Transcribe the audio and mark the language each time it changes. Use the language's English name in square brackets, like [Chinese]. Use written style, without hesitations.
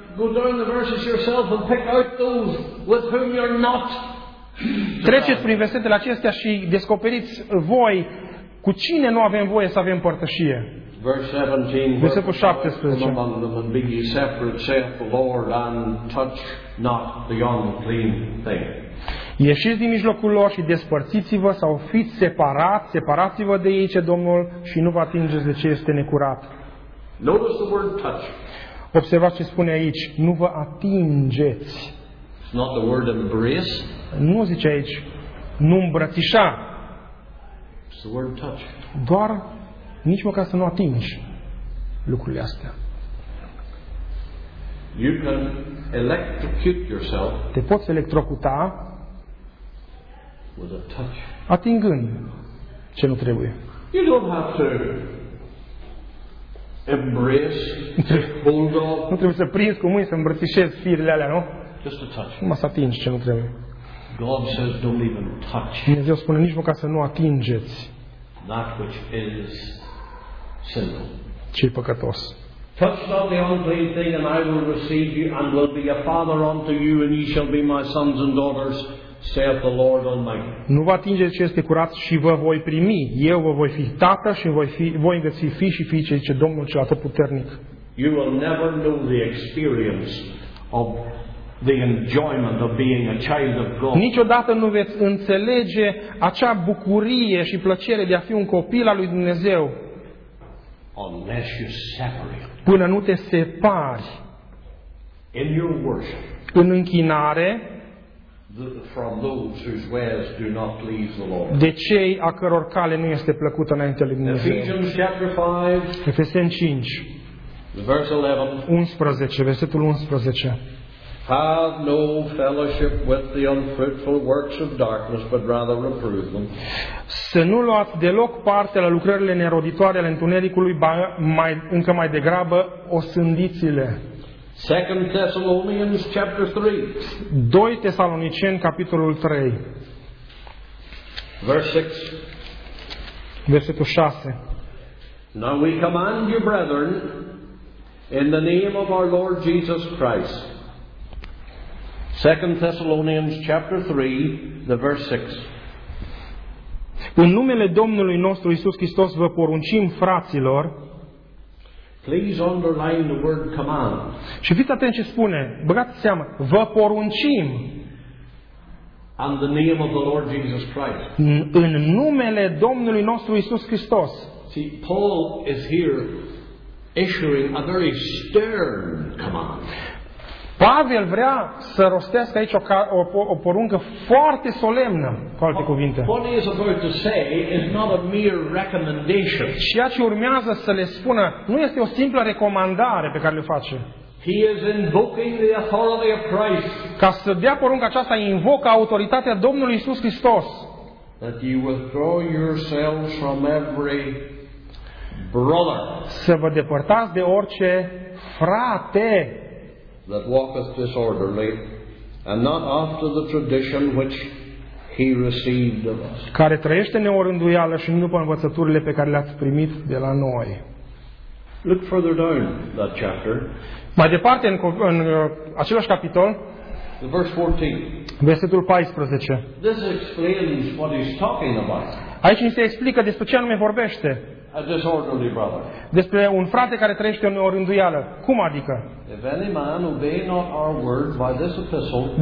[English] Go down the verses yourself and pick out those with whom you're not. [Romanian] Treceți prin versetele acestea și descoperiți voi cu cine nu avem voie să avem părtășie. Versetul 17. [English] Among them and be ye separate, saith the Lord, and touch not the unclean thing. [Romanian] Ieșiți din mijlocul lor și despărțiți-vă sau fiți separați, separați-vă de ei, ce Domnul, și nu vă atingeți de ce este necurat. [English] Notice the word touch. [Romanian] Observați ce spune aici, nu vă atingeți. [English] It's not the word embrace. [Romanian] Nu zice aici nu îmbrățișa. [English] It's the word touch. [Romanian] Doar nici măcar să nu atingi lucrurile astea. [English] You can electrocute yourself. [Romanian] Te poți electrocuta [English] with a touch. [Romanian] Atingând ce nu trebuie. [English] You don't have to embrace, hold on. [Romanian] Nu trebuie să prinzi cu mâini, să îmbrățișezi firele alea, nu? [English] Just a touch. [Romanian] Numai să atingi ce nu trebuie. [English] God says, don't even touch. [Romanian] Dumnezeu spune nici măcar să nu atingeți. [English] That which is sinful. [Romanian] Ce-i păcătos. [English] Touch not the unclean thing, and I will receive you, and will be a father unto you, and ye shall be my sons and daughters, saith the Lord Almighty. [Romanian] Nu vă atingeți ce este curat și vă voi primi. Eu vă voi fi tată și voi îngăți fii și fiice, zice Domnul cel Atotputernic. [English] You will never know the experience of the enjoyment of being a child of God. [Romanian] Niciodată nu veți înțelege acea bucurie și plăcere de a fi un copil al lui Dumnezeu. [English] Unless you separate. [Romanian] Până nu te separi. [English] In your worship. [Romanian] În închinare. [English] From those whose ways do not please the Lord. [Romanian] De cei a căror cale nu este plăcută înaintea lui Dumnezeu. [English] Ephesians chapter 5. [Romanian] Efeseni 5. [English] Verse 11. [Romanian] 11, versetul 11. [English] Have no fellowship with the unfruitful works of darkness, but rather reprove them. [Romanian] Să nu luați deloc parte la lucrările neroditoare ale întunericului, ba mai, încă mai degrabă osândiți-le. [English] 2 Thessalonians chapter 3. [Romanian] 2 Tesaloniceni capitolul 3. [English] Verse 6. [Romanian] Versetul 6. [English] Now we command you, brethren, in the name of our Lord Jesus Christ. 2 Thessalonians chapter 3, the verse 6. [Romanian] În numele Domnului nostru Iisus Hristos vă poruncim, fraților. [English] Please underline the word command. [Romanian] Și fiți atenți ce spune. Băgați seama, vă poruncim. [English] And the name of the Lord Jesus Christ. [Romanian] În numele Domnului nostru Iisus Hristos. [English] See, Paul is here issuing a very stern command. [Romanian] Pavel vrea să rostească aici o poruncă foarte solemnă, cu alte cuvinte. [English] What he is about to say is not a mere recommendation. [Romanian] Ceea ce urmează să le spună nu este o simplă recomandare pe care le face. [English] He is invoking the authority of Christ. [Romanian] Ca să dea porunca aceasta, invocă autoritatea Domnului Iisus Hristos. [English] That you withdraw yourselves from every brother. [Romanian] Să vă depărtați de orice frate. [English] That walketh disorderly, and not after the tradition which he received of us. [Romanian] Care trăiește neorânduială și nu după învățăturile pe care le-ați primit de la noi. [English] Look further down that chapter. [Romanian] Mai departe în același capitol. [English] Verse 14. [Romanian] Versetul 14. [English] This explains what he's talking about. [Romanian] Aici ni se explică despre ce anume vorbește. [English] A disorderly brother. [Romanian] Despre un frate care trăiește o neorânduială. Cum adică? [English] If any man obey not our word by this epistle,